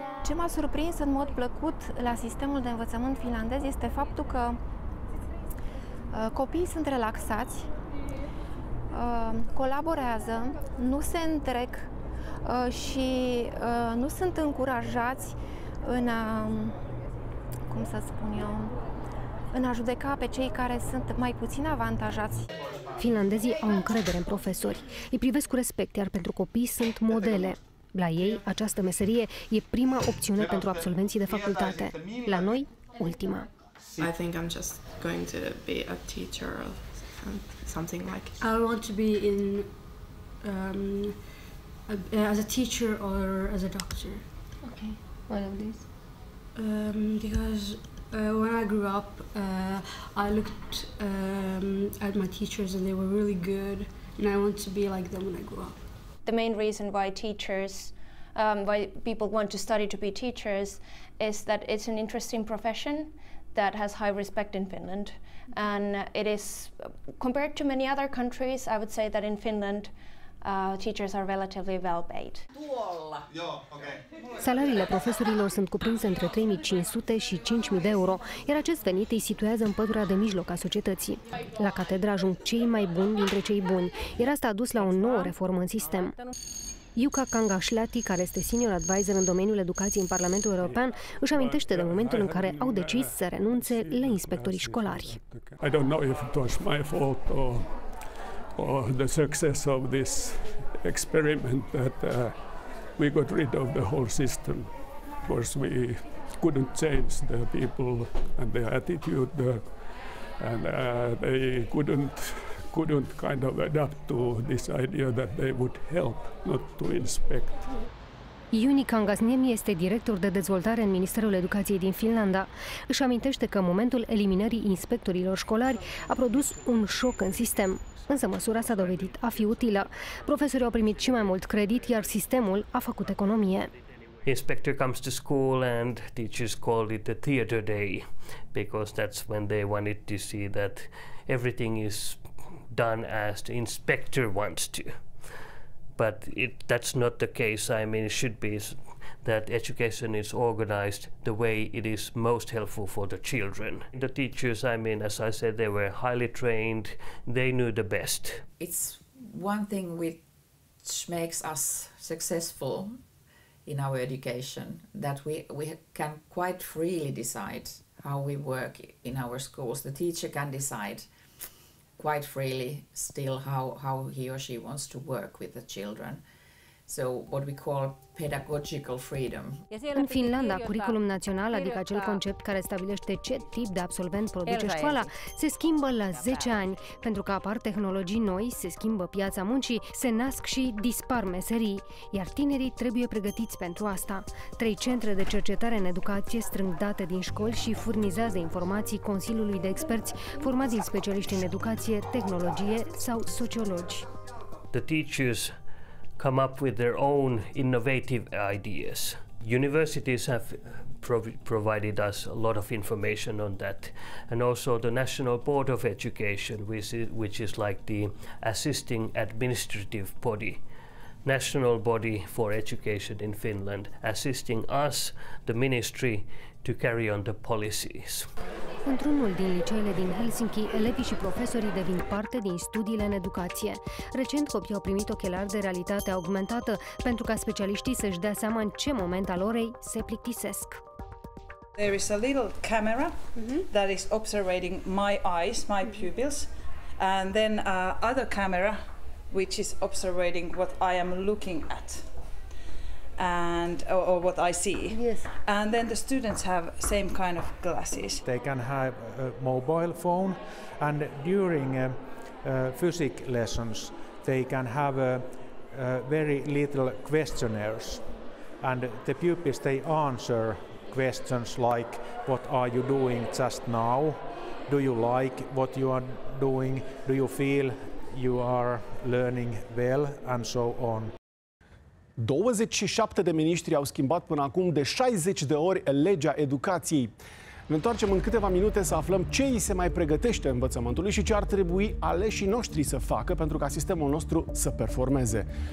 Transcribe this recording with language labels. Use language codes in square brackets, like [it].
[ro] Ce m-a surprins în mod plăcut la sistemul de învățământ finlandez este faptul că copiii sunt relaxați, colaborează, nu se întrec și nu sunt încurajați în a, cum să spun eu, în a judeca pe cei care sunt mai puțin avantajați. Finlandezii au încredere în profesori, îi privesc cu respect, iar pentru copii sunt modele. La ei, această meserie e prima opțiune pentru absolvenții de facultate. La noi, ultima. [en] I think I'm just going to be a teacher or something like. I want to be in as a teacher or as a doctor. Okay. Why of these? Because when I grew up, I looked at my teachers and they were really good, and I want to be like them when I grow up. The main reason why teachers, why people want to study to be teachers, is that it's an interesting profession that has high respect in Finland. And it is, compared to many other countries, I would say that in Finland, teachers are relatively well paid. [ro] Salariile profesorilor sunt cuprinse între 3500 și 5000 de euro, iar acest venit îi situează în pătura de mijloc a societății. La catedră ajung cei mai buni dintre cei buni, iar asta a dus la o nouă reformă în sistem. Iuka Kangaslati, care este senior advisor în domeniul educației în Parlamentul European, își amintește de momentul în care au decis să renunțe la inspectorii școlari. [en] I don't know if it was my fault or the success of this experiment that we got rid of the whole system. Of course, we couldn't change the people and their attitude there, and they couldn't kind of adapt to this idea that they would help, not to inspect. [ro] Juni Kangasniemi este director de dezvoltare în Ministerul Educației din Finlanda. Își amintește că momentul eliminării inspectorilor școlari a produs un șoc în sistem. Însă măsura s-a dovedit a fi utilă. Profesorii au primit și mai mult credit, iar sistemul a făcut economie. [en] Inspector comes to school and teachers call it a theater day, because that's when they wanted to see that everything is done as the inspector wants to. But that's not the case. I mean, it should be that education is organized the way it is most helpful for the children. The teachers, I mean, as I said, they were highly trained. They knew the best. It's one thing which makes us successful in our education, that we can quite freely decide how we work in our schools. The teacher can decide quite freely still how he or she wants to work with the children. So what we call pedagogical freedom. [ro] În Finlanda, curiculum național, adică acel concept care stabilește ce tip de absolvent produce școala, se schimbă la 10 ani, pentru că apar tehnologii noi, se schimbă piața muncii, se nasc și dispar meserii, iar tinerii trebuie pregătiți pentru asta. 3 centre de cercetare în educație strâng date din școli și furnizează informații Consiliului de Experți formați din specialiști în educație, tehnologie sau sociologi. [en] The teachers come up with their own innovative ideas. Universities have provided us a lot of information on that, and also the National Board of Education, which is like the assisting administrative body, national body for education in Finland, assisting us, the ministry, to carry on the policies. [ro] Într-unul din liceele din Helsinki, elevii și profesorii devin parte din studiile în educație. Recent, copiii au primit ochelari de realitate augmentată pentru ca specialiștii să-și dea seama în ce moment al orei se plictisesc. [en] There is a little camera that is observing my eyes, my pupils, and then another camera which is observing what I am looking at. And or what I see. Yes. And then the students have same kind of glasses. They can have a mobile phone, and during physics lessons they can have very little questionnaires, and the pupils, they answer questions like, what are you doing just now? Do you like what you are doing? Do you feel you are learning well and so on. [ro] 27 de miniștri au schimbat până acum de 60 de ori legea educației. Ne întoarcem în câteva minute să aflăm ce îi se mai pregătește învățământului și ce ar trebui aleșii noștri să facă pentru ca sistemul nostru să performeze.